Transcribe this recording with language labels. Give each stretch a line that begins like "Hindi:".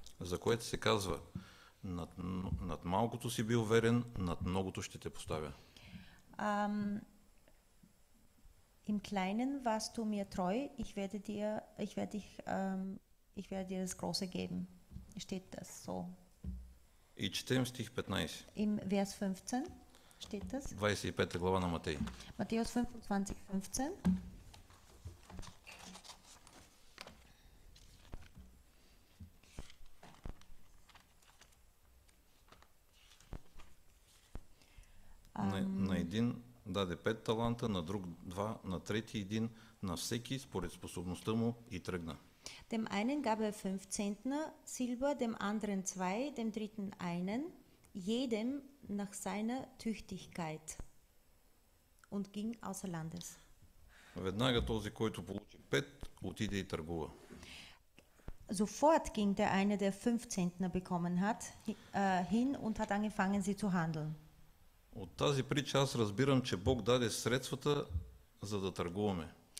Bulgarian: За което се казва, над малкото си бил верен, над многото ще те поставя.
German: Im Kleinen warst du mir treu, ich werde dir das Große geben. Steht das so.
Bulgarian: И четем стих 15.
German: Im Vers 15 steht das.
Bulgarian: 25 глава на Матей.
German: Matthäus 25:15.
Bulgarian: На един даде 5 таланта, на друг 2, на трети един, на всеки според способността му и тръгна.
German: Dem einen gab er 5 Zentner Silber, dem anderen 2, dem dritten einen, jedem nach seiner Tüchtigkeit und ging außer Landes.
Bulgarian: Веднага този, който получи 5, отиде и търгува.
German: Sofort ging der eine, der 5 Zentner bekommen hat, hin und hat angefangen, sie zu handeln.
Bulgarian: От тази притча аз разбирам, че Бог даде средствата, за да търгуваме.